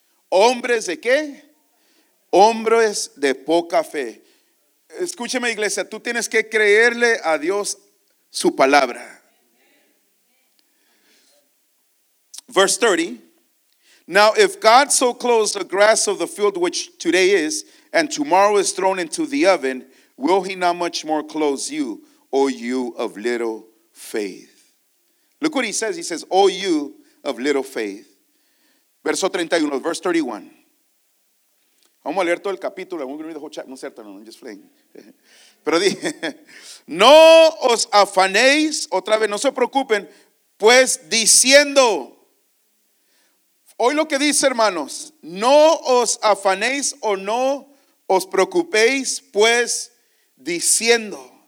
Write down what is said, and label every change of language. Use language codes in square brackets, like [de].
[es] ¿Hombres de qué? Hombres de poca fe. Escúcheme, iglesia, tú tienes que creerle a Dios su palabra. [en] Verse 30. Now, if God so clothes the grass of the field, which today is, and tomorrow is thrown into the oven, will he not much more clothe you, O you of little faith? Look what he says. He says, O you of little faith. [es] Verso 31, [en] verse 31. [es] Vamos a leer todo el capítulo. [en] I'm going to read the whole chapter. [es] No es cierto, no, [en] I'm just playing. [es] Pero dije, no os afanéis, otra vez, no se preocupen, pues diciendo... Hoy lo que dice, hermanos, no os afanéis o no os preocupéis, pues diciendo.